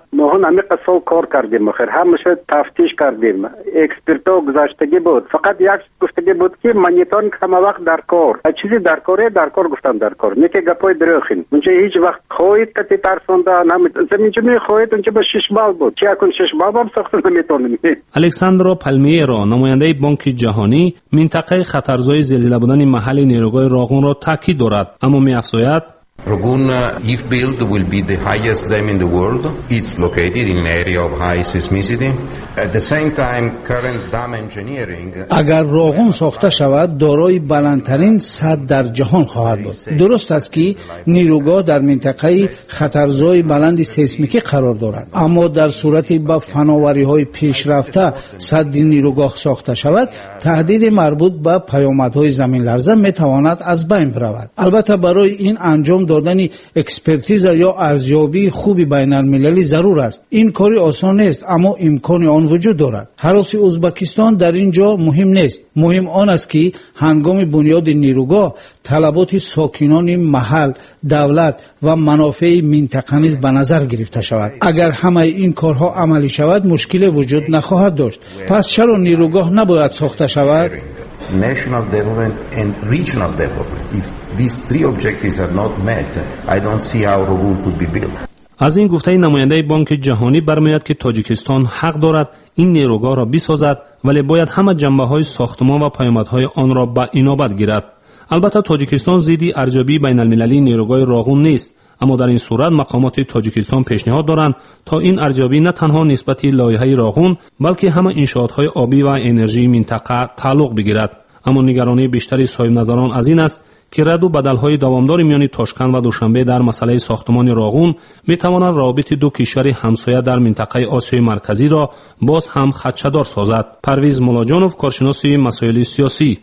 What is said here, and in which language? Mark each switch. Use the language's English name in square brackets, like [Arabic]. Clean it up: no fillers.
[Persian] ما هم همه قصه کار کردیم آخر همش تفتیش کردیم اکسپرت ها گذاشتگی بود فقط یک گفتگی بود که مانیتورینگ همه وقت در کار چیزی در کاره در کار گفتم در کار نه که گپای دروخین اونجا هیچ وقت خواهید کتی ترسانده زمین جمعی خواهید اونجا به شش بال بود چی اکن شش بال هم ساخته نمیتونیم الکساندرا پلمیه را نماینده بانک جهانی منطقه خطرزای زلزله بودن محل نیروگاه راغون را تاکید دارد اما میافزاید [English] Ragun, if built, will be the highest dam in the world. It's located in an area of high seismicity. At the same time, current dam engineering... [Persian] اگر راغون ساخته شود، دارای بلندترین سد در جهان خواهد بود. درست است که نیروگاه در منطقه خطرزای بلند سیسمیکی قرار دارد. اما در صورتی با فناوری های پیشرفته سد نیروگاه ساخته شود، تهدید مربوط به پیامدهای زمین لرزه می تواند از بین برود. البته برای این انجام دادن اکسپرتیز یا ارزیابی خوبی بین المللی ضرور است. این کاری آسان نیست اما امکان آن وجود دارد. حراس ازبکستان در اینجا مهم نیست. مهم آن است که هنگام بنیاد نیروگاه طلبات ساکنان محل، دولت و منافع منطقه نیز به نظر گرفته شود. اگر همه این کارها عملی شود مشکل وجود نخواهد داشت. پس چرا نیروگاه نباید ساخته شود؟ [English] National development and regional development. If these three objectives are not met, I don't see how Rogun could be built. [Persian] از این گفته نماینده بانک جهانی برمی‌آید که تاجیکستان حق دارد این نیروگاه را بسازد ولی باید همه جنبه‌های ساختمان و پیامدهای آن را به عنایت گیرد. البته تاجیکستان زیدی ارزیابی بین‌المللی نیروگاه راغون نیست. اما در این صورت مقامات تاجیکستان پیشنهاد دارند تا این ارزیابی نه تنها نسبت به لایحه راغون بلکه همه انشاءات آبی و انرژی منطقه تعلق بگیرد اما نگرانی بیشتری صاحب نظران از این است که رد و بدل های دوامدار میان تاشکند و دوشنبه در مسئله ساختمان راغون می تواند رابط دو کشور همسایه در منطقه آسیای مرکزی را باز هم خدشه‌دار سازد پرویز ملاجانوف کارشناس مسائل سیاسی